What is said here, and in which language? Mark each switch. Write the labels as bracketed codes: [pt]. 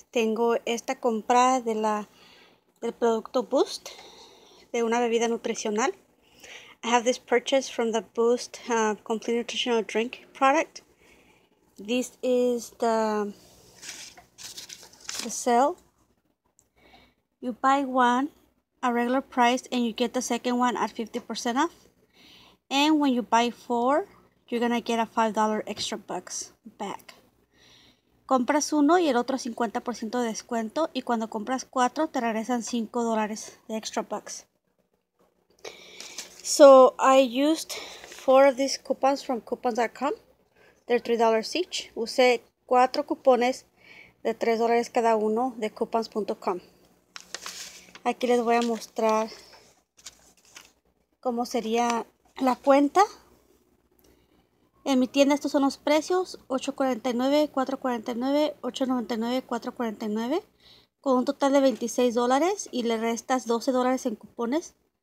[es] Tengo esta compra de del producto Boost, de una bebida nutricional. [en] I have this purchase from the Boost Complete Nutritional Drink product. This is the sale. You buy one at regular price and you get the second one at 50% off. And when you buy four, you're gonna get a $5 extra bucks back. [es] Compras uno y el otro 50% de descuento, y cuando compras cuatro te regresan $5 de extra bucks. [en] So I used four of these coupons from coupons.com. They're $3 each. [es] Usé cuatro cupones de $3 cada uno de coupons.com. Aquí les voy a mostrar cómo sería la cuenta. En mi tienda estos son los precios: $8.49, $4.49, $8.99, $4.49, con un total de $26, y le restas $12 en cupones.